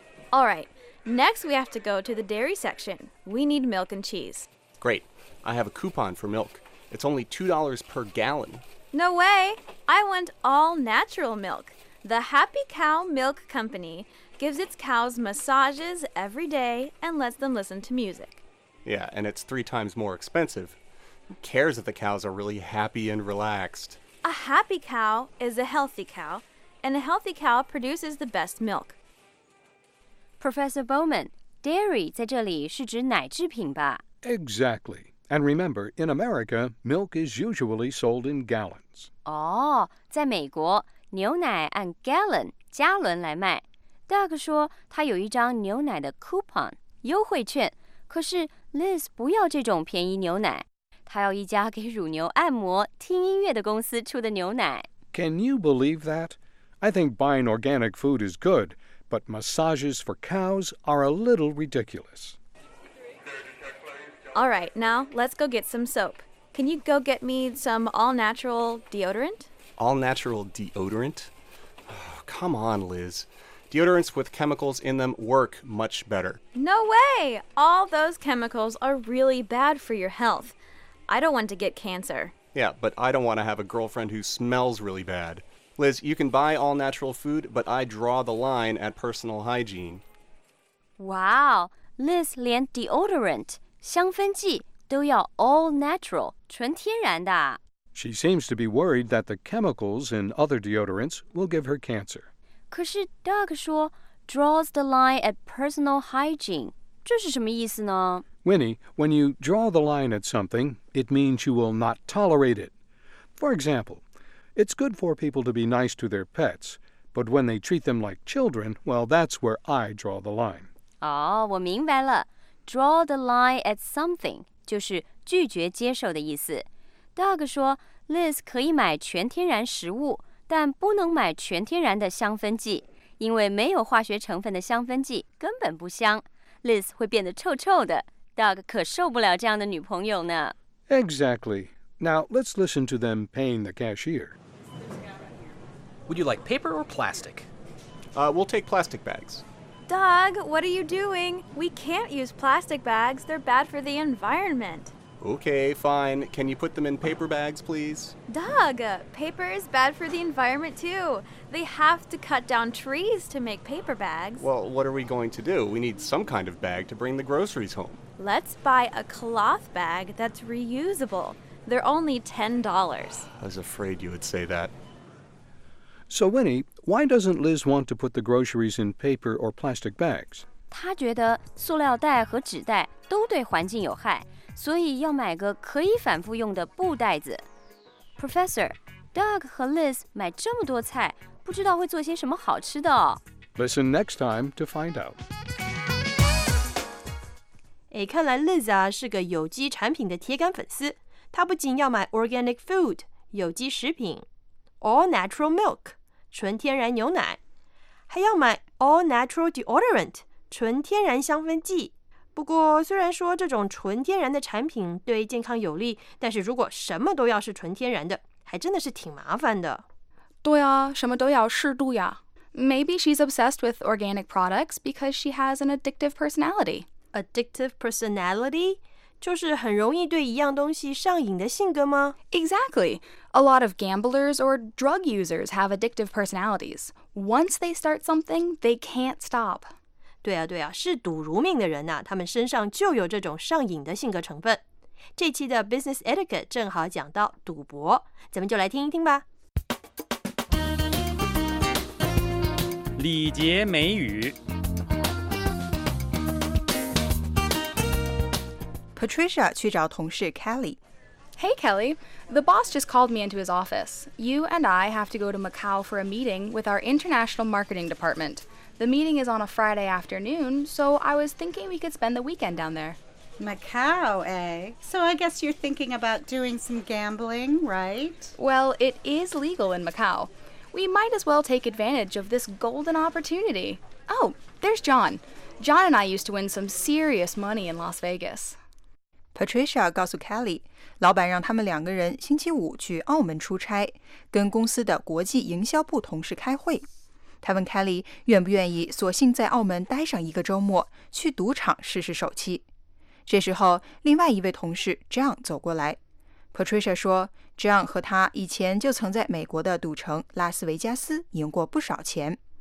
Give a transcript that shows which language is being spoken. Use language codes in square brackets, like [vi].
[en] All right, next we have to go to the dairy section. We need milk and cheese. Great, I have a coupon for milk. It's only $2 per gallon. No way, I want all natural milk. The Happy Cow Milk Company gives its cows massages every day and lets them listen to music. Yeah, and it's 3 times more expensive. Who cares if the cows are really happy and relaxed? A happy cow is a healthy cow, and a healthy cow produces the best milk. [zh] Professor Bowman, dairy 在这里是指奶制品吧？ [en] Exactly. And remember, in America, milk is usually sold in gallons. [zh] 哦，在美国。牛奶按 gallon 加仑来卖。Doug 说他有一张牛奶的 coupon 优惠券，可是 Liz 不要这种便宜牛奶，他要一家给乳牛按摩、听音乐的公司出的牛奶。 [en] Can you believe that? I think buying organic food is good, but massages for cows are a little ridiculous. All right, now let's go get some soap. Can you go get me some all-natural deodorant? all-natural deodorant. Oh, come on, Liz. Deodorants with chemicals in them work much better. No way! All those chemicals are really bad for your health. I don't want to get cancer. Yeah, but I don't want to have a girlfriend who smells really bad. Liz, you can buy all-natural food, but I draw the line at personal hygiene. Wow! [zh] Liz 连 deodorant, 香氛剂都要 [en] all natural, [zh] 纯天然的。 [en] She seems to be worried that the chemicals in other deodorants will give her cancer. [zh] 可是 Doug 说 [en] draws the line at personal hygiene, [zh] 这是什么意思呢? [en] Winnie, when you draw the line at something, it means you will not tolerate it. For example, it's good for people to be nice to their pets, but when they treat them like children, well, that's where I draw the line. [zh] 哦、oh, ，我明白了 ， [en] draw the line at something [zh] 就是拒绝接受的意思。 Doug 说 ，Liz 可以买全天然食物，但不能买全天然的香氛剂，因为没有化学成分的香氛剂根本不香 ，Liz 会变得臭臭的。 Doug 可受不了这样的女朋友呢。 [en] Exactly. Now let's listen to them paying the cashier. Would you like paper or plastic? We'll take plastic bags. Doug, what are you doing? We can't use plastic bags. They're bad for the environment. Okay, fine. Can you put them in paper bags, please? Doug, paper is bad for the environment, too. They have to cut down trees to make paper bags. Well, what are we going to do? We need some kind of bag to bring the groceries home. Let's buy a cloth bag that's reusable. They're only $10. I was afraid you would say that. So, Winnie, why doesn't Liz want to put the groceries in paper or plastic bags? [zh] 她觉得塑料袋和纸袋都对环境有害，所以要买个可以反复用的布袋子。 Professor, Doug 和 Liz 买这么多菜，不知道会做些什么好吃的哦。 [en] Listen next time to find out. [zh] 哎，看来 Liz 啊是个有机产品的铁杆粉丝。她不仅要买 [en] organic food, [zh] 有机食品。 [en] All natural milk, [zh] 纯天然牛奶。还要买 [en] all natural deodorant, [zh] 纯天然香氛剂。不过虽然说这种纯天然的产品对健康有利，但是如果什么都要是纯天然的，还真的是挺麻烦的。对啊，什么都要适度呀。 [en] Maybe she's obsessed with organic products because she has an addictive personality. Addictive personality? [zh] 就是很容易对一样东西上瘾的性格吗? [en] Exactly. A lot of gamblers or drug users have addictive personalities. Once they start something, they can't stop. [zh] 对啊对啊，是赌如命的人啊，他们身上就有这种上瘾的性格成分。这期的 Business Etiquette 正好讲到赌博，咱们就来听一听吧。礼节美语 Patricia 去找同事 Kelly. [en] Hey, Kelly. The boss just called me into his office. You and I have to go to Macau for a meeting with our international marketing department. The meeting is on a Friday afternoon, so I was thinking we could spend the weekend down there. Macau, eh? So I guess you're thinking about doing some gambling, right? Well, it is legal in Macau. We might as well take advantage of this golden opportunity. Oh, there's John. John and I used to win some serious money in Las Vegas. [zh] Patricia 告诉 Kelly, 老板让他们两个人星期五去澳门出差,跟公司的国际营销部同事开会。他问 Kelly 愿不愿意索性在澳门待上一个周末,去赌场试试手气。这时候,另外一位同事 John 走过来。Patricia 说 ,John 和他以前就曾在美国的赌城拉斯维加斯赢过不少钱。